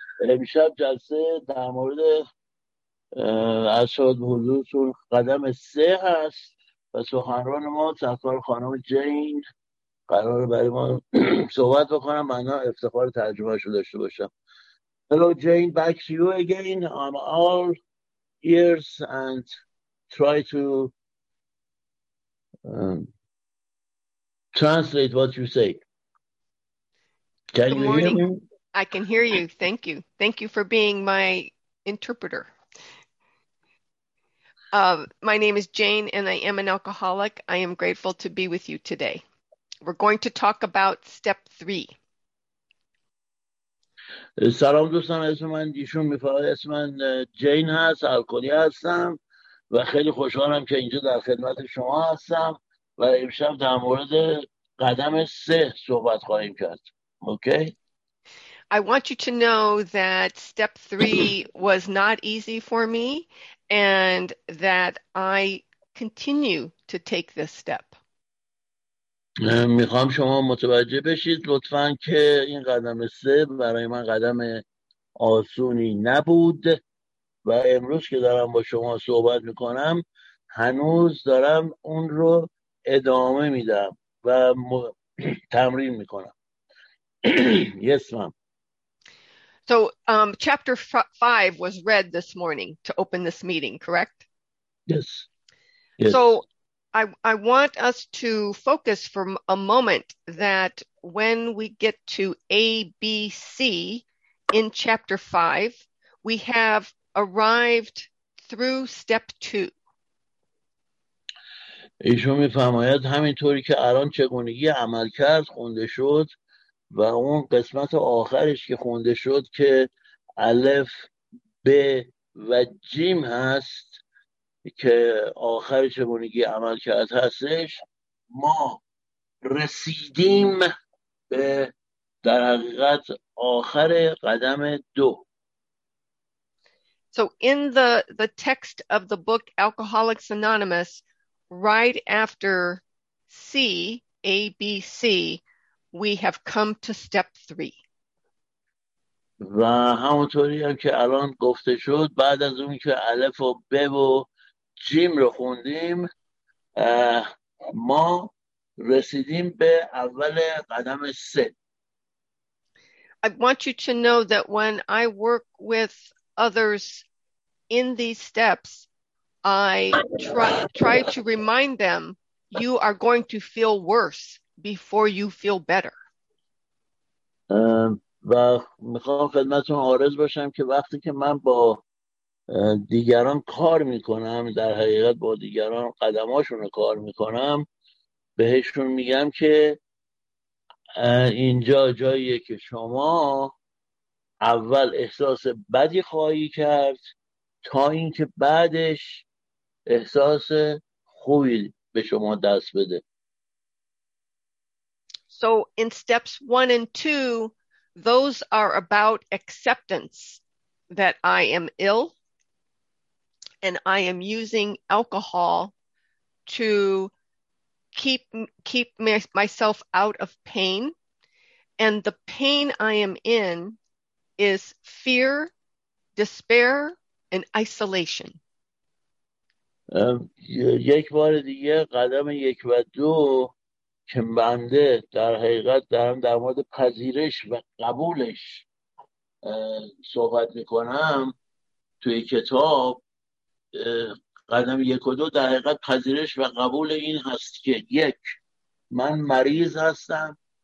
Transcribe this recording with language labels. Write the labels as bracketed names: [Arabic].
[Persian] امشب جلسه در مورد اشهد حضورتون قدم 3 هست و سخنران ما سرکار خانم جین قرار برای ما صحبت بکنم. من افتخار ترجمه شده داشته باشم. [English] Hello Jane, back to you again. I'm all ears and try to translate what you say. Can Good you morning. Hear me? I can hear you. Thank you. Thank you for being my interpreter. My name is Jane and I am an alcoholic. I am grateful to be with you today. We're going to talk about step 3. [Persian] سلام دوستان، اسم من دیشون میفرد، اسم من جین هست، الکلی هستم و خیلی خوشحالم که اینجا در خدمت شما هستم و امشب در مورد قدم 3 صحبت خواهیم کرد. اوکی؟ [English] I want you to know that step 3 was not easy for me and that I continue to take this step. [Persian] میخوام شما متوجه بشید لطفا که این قدم 3 برای من قدم آسونی نبود و امروز که دارم با شما صحبت میکنم هنوز دارم اون رو ادامه میدم و تمرین میکنم. [English] Yes, ma'am. So chapter 5 was read this morning to open this meeting, correct? Yes. Yes. So I want us to focus for a moment that when we get to ABC in chapter 5, we have arrived through step 2. [Persian] ایشون میفرماید همینطوری که الان چگونگی عمل کرد خونده شد و اون قسمت آخرش که خونده شد که الف ب و جیم هست که آخر چگونگی عمل کرد هستش، ما رسیدیم به در حقیقت آخر قدم 2. [English] So in the text of the book Alcoholics Anonymous, right after C, A, B, C, we have come to step 3. [Persian] و همونطوری هم که الان گفته شد بعد از اون که الف و ب و جیم رو خوندیم ما رسیدیم به اول قدم 3. [English] I want you to know that when I work with others in these steps, I try to remind them you are going to feel worse before you feel better. [Persian] و میخوام خدمتتون عارض باشم که وقتی که من با دیگران کار میکنم، در حقیقت با دیگران قدماشون رو کار میکنم، بهشون میگم که اینجا جاییه که شما اول احساس بدی خواهی کرد تا اینکه بعدش احساس خوبی به شما دست بده. [English] So in steps 1 and 2, those are about acceptance that I am ill and I am using alcohol to keep myself out of pain. And the pain I am in is fear, despair, and isolation. [Persian] یک بار دیگه قدم 1 و 2 که بنده در حقیقت دارم در مورد پذیرش و قبولش صحبت میکنم توی کتاب قدم یک و دو در حقیقت پذیرش و قبول این هست که یک من مریض هستم